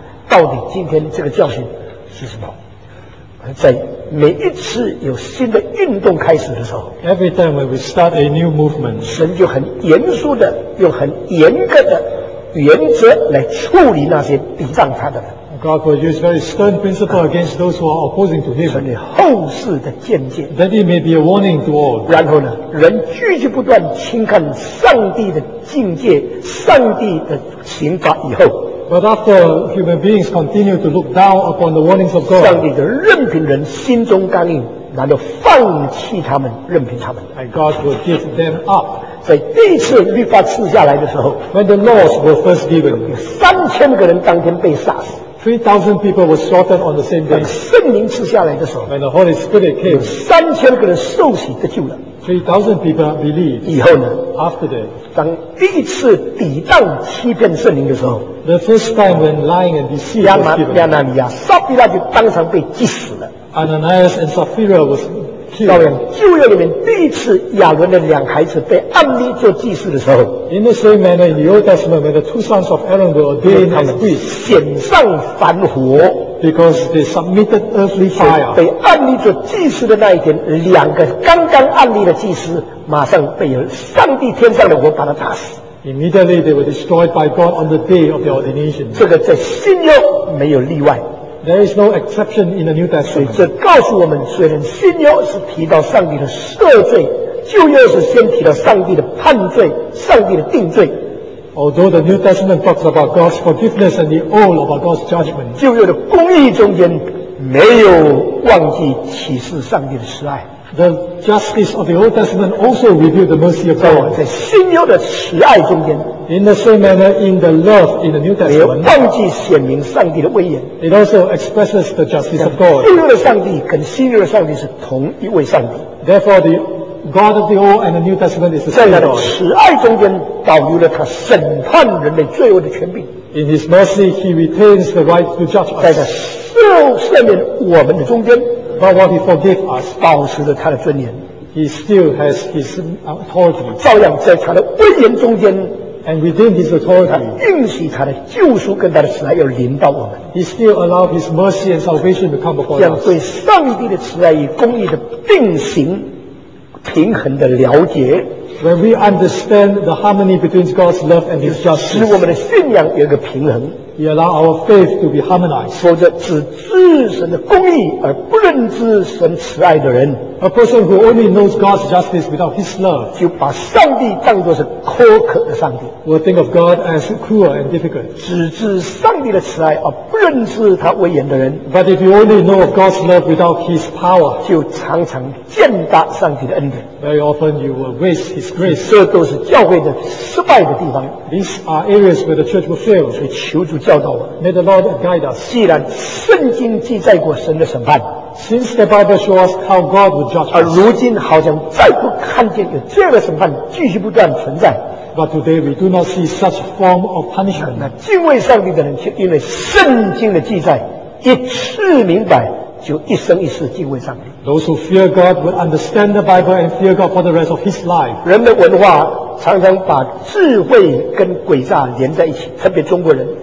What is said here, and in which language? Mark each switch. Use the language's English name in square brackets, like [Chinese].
[Chinese] 到底今天这个教训是什么？在每一次有新的运动开始的时候 [English] ，Every time when we start a new movement， [Chinese] 神就很严肃的，用很严格的。原则来处理那些抵挡他的人。 [English] God will use very stern principle against those who are opposing to Him. [Chinese] 成为后世的见解。 [English] Then it may be a warning to all. [Chinese] 然后呢，人继续不断轻看上帝的境界、上帝的刑罚以后。 [English] But after human beings continue to look down upon the warnings of God, [Chinese] 上帝就任凭人心中刚硬，然后放弃他们，任凭他们。 [English] And God will give them up. [Chinese] 在第一次律法赐下来的时候 [English] ，When the laws were first given， [Chinese] 3000个人当天被杀死 [English] ，3000 people were slaughtered on the same day。 [Chinese] 圣灵赐下来的时候 [English] ，When the Holy Spirit came， [Chinese] 3000个人受洗得救了 [English] ，3000 people believed。 [Chinese] 以后呢 [English] ？After that， [Chinese] 当第一次抵挡欺骗圣灵的时候 [English] ，The first time when lying and deceit was given， [Chinese] 亚拿尼亚、撒菲拉就当场被击死了 [English] ，Ananias and Sapphira was 旧约， [Chinese] 旧约里面第一次亚伦的两孩子被按例做祭祀的时候 [English] ，In the same manner, in the Old Testament, when the two sons of Aaron were ordained, [Chinese] 他们献上燔火 [English] ，because they submitted earthly fire. [Chinese] 被按例做祭祀的那一天，两个刚刚按例的祭司马上被上帝天上的火把他打死。 [English] Immediately they were destroyed by God on the day of the ordination. [Chinese] 这个在新约没有例外。 [English] There is no exception in the New Testament. [Chinese] 所以这告诉我们，虽然新约是提到上帝的赦罪，旧约是先提到上帝的判罪、上帝的定罪。 [English] Although the New Testament talks about God's forgiveness and the Old about God's judgment, [Chinese] 旧约的公义中间没有忘记启示上帝的慈爱。 [English] The justice of the Old Testament also revealed the mercy of God. [Chinese] 在新约的慈爱中间。 [English] In the same manner, in the love in the New Testament, [Chinese] 也忘记显明上帝的威严。 [English] It also expresses the justice of God. [Chinese] 旧约的上帝跟新约的上帝是同一位上帝。 [English] Therefore, the God of the Old and the New Testament is the same God. [Chinese] 在他的慈爱中间保留了他审判人类罪恶的权柄。 [English] In His mercy, He retains the right to judge us. [Chinese] 在他赦免我们的中间。 [English] But what he forgave us, [Chinese] 保持了他的尊严。 [English] He still has his authority. [Chinese] 照样在他的威严中间。 [English] And within his authority, [Chinese] 他应许他的救赎跟他的慈爱要临到我们。 [English] He still allowed his mercy and salvation to come upon us. [Chinese] 这样对上帝的慈爱与公义的并行、平衡的了解。 [English] When we understand the harmony between God's love and His justice, [Chinese] 使我们的信仰有一个平衡。 [English] He allowed our faith to be harmonized. [Chinese] 否则只知神的公义而不认知神慈爱的人 [English] ，A person who only knows God's justice without His love, [Chinese] 就把上帝当作是苛刻的上帝 [English] ，will think of God as cruel and difficult. [Chinese] 只知上帝的慈爱而不认知他威严的人 [English] ，But if you only know of God's love without His power, [Chinese] 就常常践踏上帝的恩典 [English] ，Very often you will waste His grace. [Chinese] 这都是教会的失败的地方 [English] ，These are areas where the church will fail. [Chinese] 所以求主教导我 [English] ，May the Lord guide us. [Chinese] 既然圣经记载过神的审判 [English] ，Since the Bible shows how God will judge us， [Chinese] 而如今好像再不看见有这样的审判继续不断存在 [English] ，But today we do not see such form of punishment。 [Chinese] 那敬畏上帝的人却因为圣经的记载一次明白，就一生一世敬畏上帝。 [English] Those who fear God will understand the Bible and fear God for the rest of his life。 [Chinese] 人的文化常常把智慧跟诡诈连在一起，特别中国人。